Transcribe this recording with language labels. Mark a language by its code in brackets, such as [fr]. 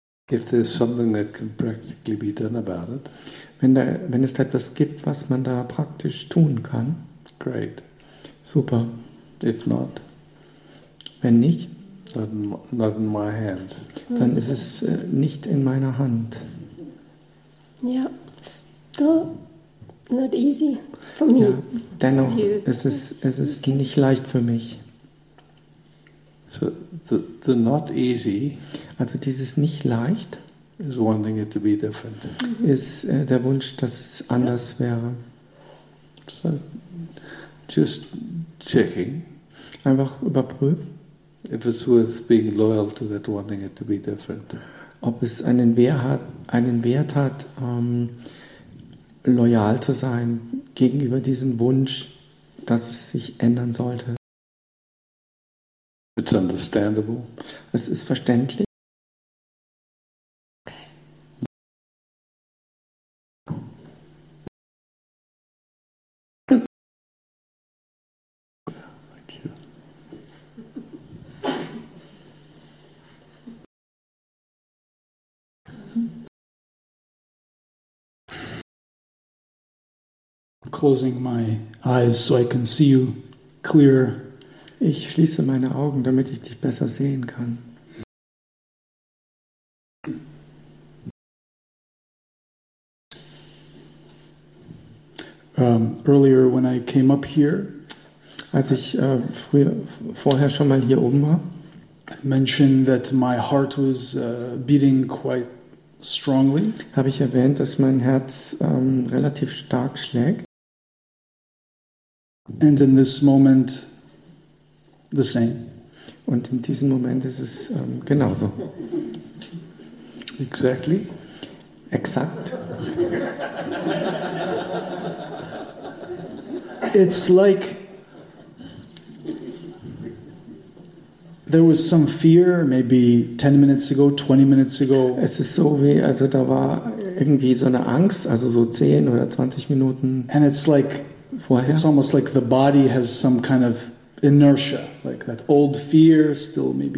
[en] If there's something that can practically be done about it. [de] Wenn es da etwas gibt, was man da praktisch tun kann. [en] Great. [de] Super. [en] If not. [de] Wenn nicht. [en] Not in my hand. [de] Dann ist es nicht in meiner Hand. [en] Yeah, still not easy for me. Ja, [de] dennoch, es ist nicht leicht für mich. [en] So the not easy. [de] Also dieses nicht leicht. [en] Is wanting it to be different. [de] Ist der Wunsch, dass es anders wäre. [en] So just checking. [de] Einfach überprüfen. [en] If it's worth being loyal to that, wanting it to be different. [de] Ob es einen Wert hat, loyal zu sein gegenüber diesem Wunsch, dass es sich ändern sollte. [en] It's understandable. [de] Es ist verständlich. [en] closing my eyes so I can see you clearer. [de] Ich schließe meine Augen, damit ich dich besser sehen kann. [en] Earlier when I came up here, [de] als ich vorher schon mal hier oben war, [en] I mentioned that my heart was beating quite strongly. [de] Habe ich erwähnt, dass mein Herz relativ stark schlägt. [en] And in this moment, the same. [de] Und in diesem Moment ist es genauso. [en] Exactly. [de] Exakt. [en] It's like there was some fear maybe 10 minutes ago, 20 minutes ago. [de] Es ist so wie, also da war irgendwie so eine Angst, also so 10 oder 20 Minuten. [en] And it's like [de] vorher. [en] It's almost like the body has some kind of inertia, like that old fear still maybe